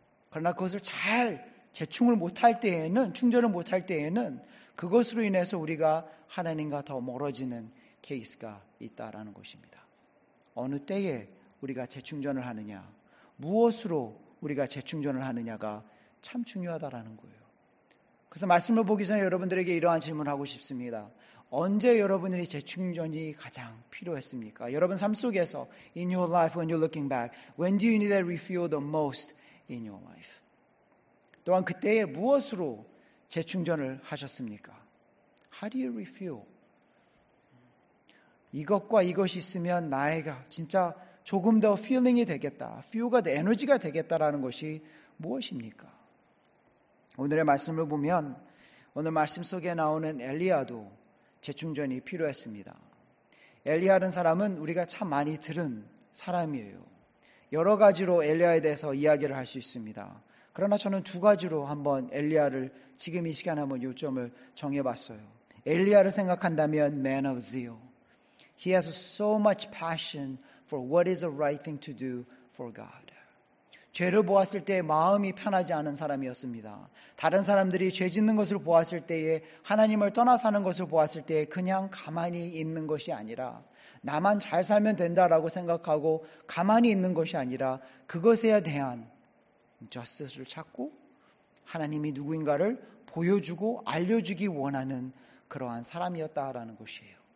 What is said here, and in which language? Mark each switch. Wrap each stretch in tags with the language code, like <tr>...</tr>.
<ko>그러나 그것을 잘 재충을 못할 때에는, 충전을 못할 때에는 그것으로 인해서 우리가 하나님과 더 멀어지는 케이스가 있다라는 것입니다. 어느 때에 우리가 재충전을 하느냐, 무엇으로 우리가 재충전을 하느냐가 참 중요하다라는 거예요. 그래서 말씀을 보기 전에 여러분들에게 이러한 질문을 하고 싶습니다. 언제 여러분들이 재충전이 가장 필요했습니까? 여러분 삶 속에서</ko> <en>In your life, when you're looking back, when do you need that refuel the most in your life?</en> <ko>또한 그때에 무엇으로 재충전을 하셨습니까?</ko> <en>How do you refuel?</en> <ko>이것과 이것이 있으면 나이가 진짜 조금 더 feeling이 되겠다. Fuel가 에너지가 되겠다라는 것이 무엇입니까? 오늘의 말씀을 보면 오늘 말씀 속에 나오는 엘리야도 재충전이 필요했습니다. 엘리야라는 사람은 우리가 참 많이 들은 사람이에요. 여러 가지로 엘리야에 대해서 이야기를 할 수 있습니다. 그러나 저는 두 가지로 한번 엘리야를 지금 이 시간에 한번 요점을 정해봤어요. 엘리야를 생각한다면</ko> <en>man of zeal. He has so much passion for what is the right thing to do for God.</en> <ko>죄를 보았을 때 마음이 편하지 않은 사람이었습니다. 다른 사람들이 죄 짓는 것을 보았을 때에 하나님을 떠나 사는 것을 보았을 때에 그냥 가만히 있는 것이 아니라 나만 잘 살면 된다라고 생각하고 가만히 있는 것이 아니라 그것에 대한 justice를 찾고 하나님이 누구인가를 보여주고 알려주기 원하는 그러한 사람이었다라는 것이에요.</ko>